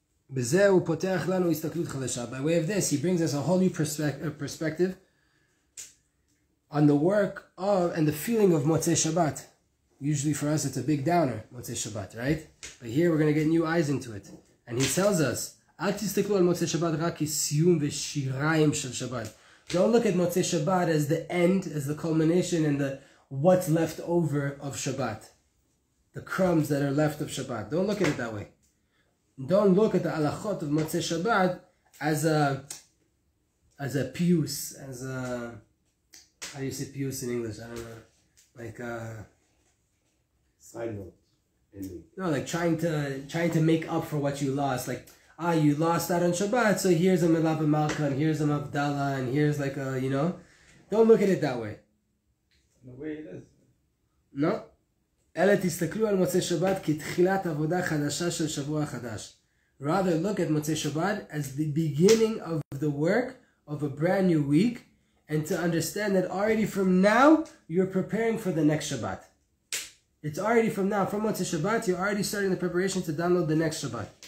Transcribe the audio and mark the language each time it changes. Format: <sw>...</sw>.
<he>בזהו פותח לנו הסתכלות חדשה.</he> <en>By way of this, he brings us a whole new perspective on the work of and the feeling of Motzei Shabbat. Usually for us it's a big downer, Motzei Shabbat, right? But here we're going to get new eyes into it. And he tells us,</en> <he>אל תסתכלו על מוצאי שבת רק כסיום ושיריים של שבת.</he> <en>Don't look at Motzei Shabbat as the end, as the culmination and the what's left over of Shabbat. The crumbs that are left of Shabbat. Don't look at it that way. Don't look at the alachot of Motzei Shabbat as a pius, as a, how do you say pius in English? I don't know. Like a side note. No, like trying to make up for what you lost. Like, you lost that on Shabbat, so here's a Melava Malka, and here's a Mavdala, and here's like a, you know. Don't look at it that way. The way it is. No.</en> <he>אלא תסתכלו על מוצאי שבת כתחילת עבודה חדשה של שבוע חדש.</he> <en>Rather look at מוצאי שבת as the beginning of the work of a brand new week, and to understand that already from now you're preparing for the next Shabbat. It's already from now, from מוצאי שבת, you're already starting the preparation to download the next Shabbat.</en>